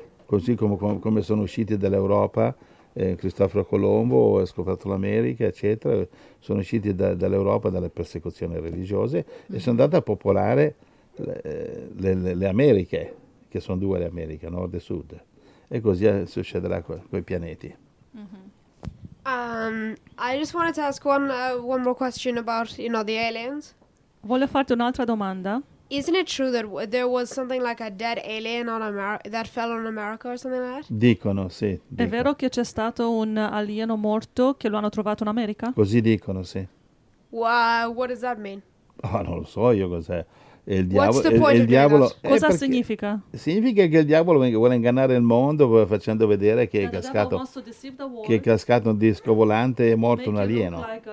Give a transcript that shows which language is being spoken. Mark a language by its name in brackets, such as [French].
[Italian] Così come sono usciti dall'Europa, Cristoforo Colombo ha scoperto l'America, eccetera, sono usciti dall'Europa, dalle persecuzioni religiose, mm-hmm. e sono andati a popolare le Americhe, che sono due le Americhe, nord e sud. E così succederà con i pianeti. Mm-hmm. [English] I just wanted to ask one more question about, you know, the aliens. [Italian] Voglio farti un'altra domanda. [English] Isn't it true that there was something like a dead alien on that fell on America or something like that? [Italian] Dicono, sì. Dicono. È vero che c'è stato un alieno morto che lo hanno trovato in America? Così dicono, sì. [English] What does that mean? [Italian] Oh, non lo so io cos'è. Il diavolo, [English] What's the point [Italian] il diavolo, cosa perché, significa? Significa che il diavolo vuole ingannare il mondo facendo vedere che è cascato un disco volante e è morto un alieno.